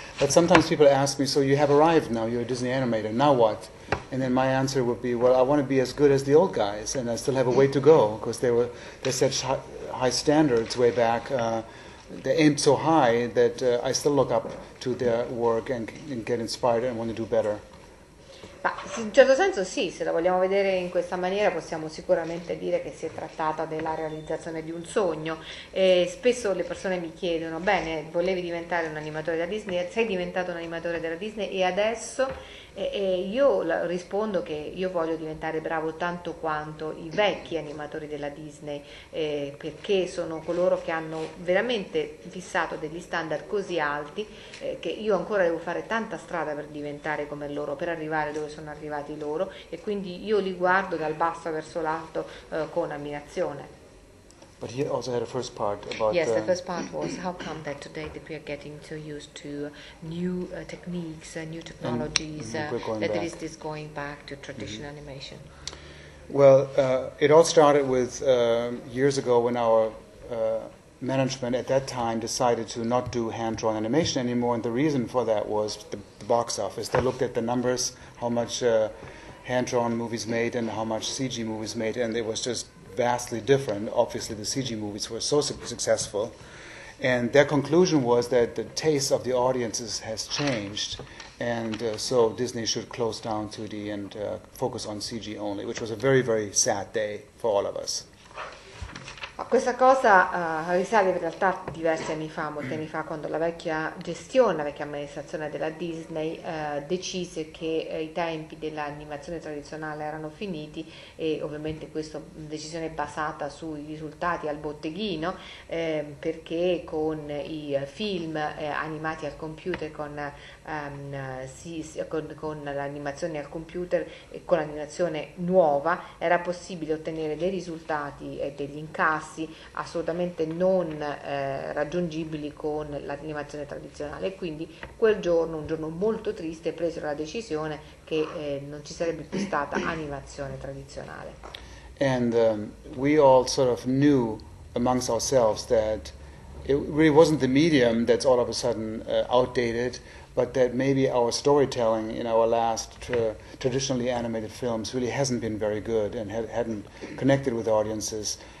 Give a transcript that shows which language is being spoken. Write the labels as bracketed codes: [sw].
[en] But sometimes people ask me, so you have arrived now, you're a Disney animator, now what? And then my answer would be, well, I want to be as good as the old guys, and I still have a way to go, because they set high standards way back. They aimed so high that I still look up to their work and get inspired and want to do better. [it] Ma in certo senso sì, se la vogliamo vedere in questa maniera possiamo sicuramente dire che si è trattata della realizzazione di un sogno. E spesso le persone mi chiedono, bene, volevi diventare un animatore della Disney, sei diventato un animatore della Disney e adesso? E io rispondo che io voglio diventare bravo tanto quanto i vecchi animatori della Disney, perché sono coloro che hanno veramente fissato degli standard così alti che io ancora devo fare tanta strada per diventare come loro, per arrivare dove sono arrivati loro, e quindi io li guardo dal basso verso l'alto con ammirazione. [en] But he also had a first part about... Yes, the first part was how come that today that we are getting so used to new techniques, new technologies, that is this going back to traditional animation? Well, it all started with years ago when our management at that time decided to not do hand-drawn animation anymore, and the reason for that was the box office. They looked at the numbers, how much hand-drawn movies made and how much CG movies made, and it was just vastly different. Obviously the CG movies were so successful, and their conclusion was that the taste of the audiences has changed, and so Disney should close down 2D and focus on CG only, which was a very, very sad day for all of us. [it] Questa cosa risale in realtà diversi anni fa, molti anni fa, quando la vecchia gestione, la vecchia amministrazione della Disney decise che i tempi dell'animazione tradizionale erano finiti, e ovviamente questa decisione è basata sui risultati al botteghino, perché con i film animati al computer, con l'animazione al computer e con l'animazione nuova era possibile ottenere dei risultati e degli incassi assolutamente non raggiungibili con l'animazione tradizionale, e quindi quel giorno, un giorno molto triste, presero la decisione che non ci sarebbe più stata animazione tradizionale. [en] And we all sort of knew amongst ourselves that it really wasn't the medium that's all of a sudden outdated, but that maybe our storytelling in our last traditionally animated films really hasn't been very good and hadn't connected with audiences.